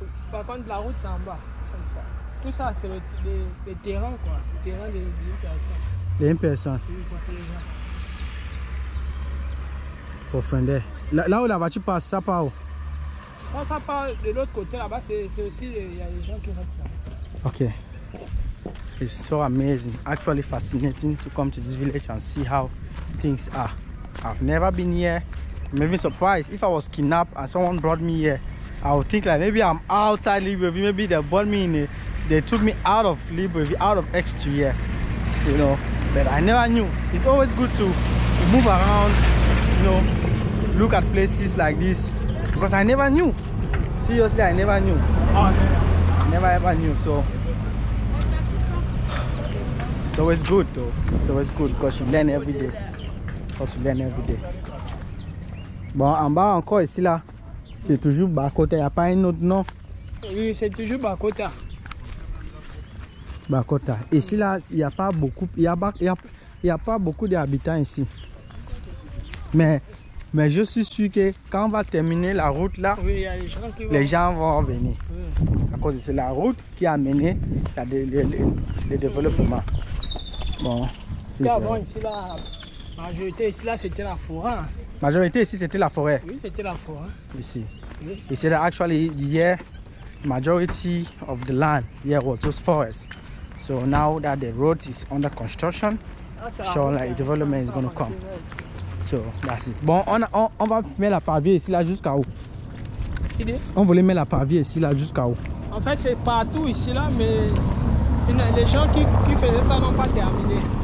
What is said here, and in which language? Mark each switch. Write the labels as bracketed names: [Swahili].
[French] Par contre, la route, c'est en bas. Tout ça, c'est le terrain, quoi. Le terrain des personnes. Des personnes. Oui, ça fait les gens. Profondeur. Là où la voiture passe, ça part où? Ça part de l'autre côté là-bas, c'est aussi, il y a des gens qui restent là. Ok. [English] It's so amazing, actually fascinating to come to this village and see how things are. I've never been here. I'm even surprised. If I was kidnapped and someone brought me here, I would think like maybe I'm outside Libreville. Maybe they brought me in a, they took me out of Libreville, out of X2 here. You know, but I never knew. It's always good to move around. You know, look at places like this because I never knew. Seriously, I never knew. Never ever knew. So it's always good, though. It's always good because you learn every day. [French] Bon, en bas encore ici là, c'est toujours Bakota. Y a pas un autre nom? Oui, c'est toujours Bakota. Bakota. Ici là, y a pas beaucoup. Y a pas beaucoup d'habitants ici. Mais je suis sûr que quand on va terminer la route là, oui, y a les gens vont venir. Oui. À cause de c'est la route qui a mené le développement. Bon. Parce qu'avant ici, la majorité ici là c'était la forêt. Majorité ici c'était la forêt. Oui, c'était la forêt. Ici. Oui. Et c'est là, [English] actually, here, majority of the land here was just forest. So now that the road is under construction, surely development is going to come. So that's it. [French] Bon, on va mettre la pavée ici là jusqu'à où? On voulait mettre la pavée ici là jusqu'à où? En fait, c'est partout ici là, mais les gens qui faisaient ça n'ont pas terminé.